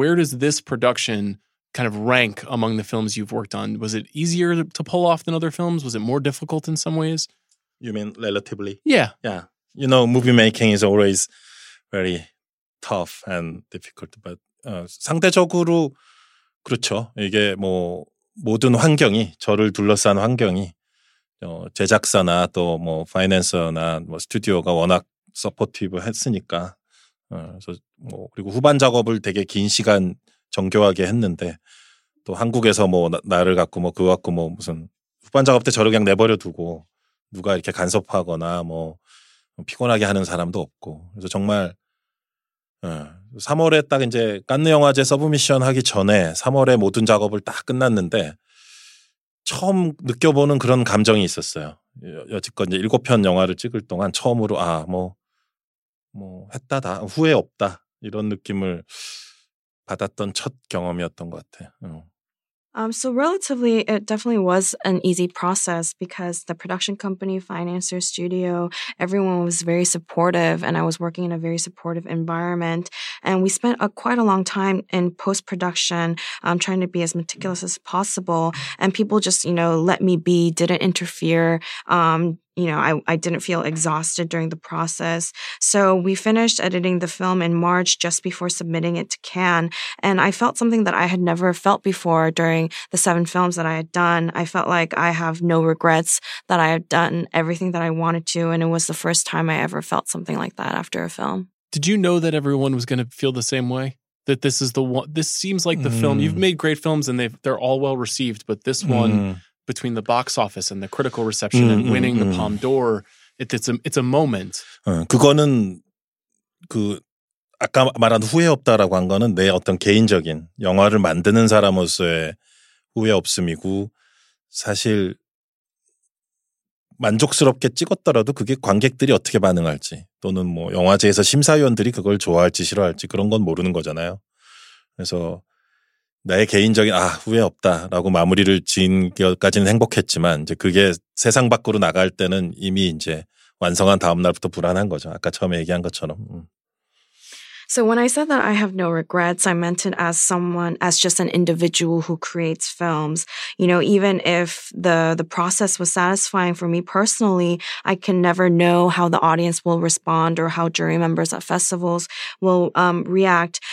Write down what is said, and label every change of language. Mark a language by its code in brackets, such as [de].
[en] Where does this production kind of rank among the films you've worked on? Was it easier to pull off than other films? Was it more difficult in some ways? You mean relatively? Yeah. Yeah. You know, movie making is always very tough and difficult. But [ko] 상대적으로 그렇죠. 이게 뭐 모든 환경이, 저를 둘러싼 환경이 제작사나 또 뭐 파이낸서나 뭐 스튜디오가 워낙 서포티브 했으니까 그래서 뭐 그리고 후반 작업을 되게 긴 시간 정교하게 했는데 또 한국에서 뭐 나를 갖고 뭐 그거 갖고 뭐 무슨 후반 작업 때 저를 그냥 내버려 두고 누가 이렇게 간섭하거나 뭐 피곤하게 하는 사람도 없고 그래서 정말 3월에 딱 이제 깐느 영화제 서브미션 하기 전에 3월에 모든 작업을 딱 끝났는데 처음 느껴보는 그런 감정이 있었어요. 여지껏 이제 7편 영화를 찍을 동안 처음으로 아 뭐 했다 다 후회 없다 이런 느낌을 받았던 첫 경험이었던 것 같아요. [en] So relatively, it definitely was an easy process because the production company, financer, studio, everyone was very supportive and I was working in a very supportive environment. And we spent quite a long time in post-production trying to be as meticulous as possible. And people just, you know, let me be, didn't interfere. You know, I didn't feel exhausted during the process. So we finished editing the film in March just before submitting it to Cannes. And I felt something that I had never felt before during the 7 films that I had done. I felt like I have no regrets, that I had done everything that I wanted to. And it was the first time I ever felt something like that after a film. Did you know that everyone was going to feel the same way? That this is the one, this seems like the film. You've made great films and they're all well received, but this one... between the box office and the critical reception and winning the Palme d'Or, it's a moment. [ko] 그거는 그 아까 말한 후회 없다라고 한 거는 내 어떤 개인적인 영화를 만드는 사람으로서의 후회 없음이고 사실 만족스럽게 찍었더라도 그게 관객들이 어떻게 반응할지 또는 뭐 영화제에서 심사위원들이 그걸 좋아할지 싫어할지 그런 건 모르는 거잖아요. 그래서 나의 개인적인 아 후회 없다라고 마무리를 지은 것까지는 행복했지만 이제 그게 세상 밖으로 나갈 때는 이미 이제 완성한 다음 날부터 불안한 거죠. 아까 처음에 얘기한 것처럼. [en] So when I said that I have no regrets, I meant it as someone, as just an individual who creates films. You know, even if the process was satisfying for me personally, I can never know how the audience will respond or how jury members at festivals will react.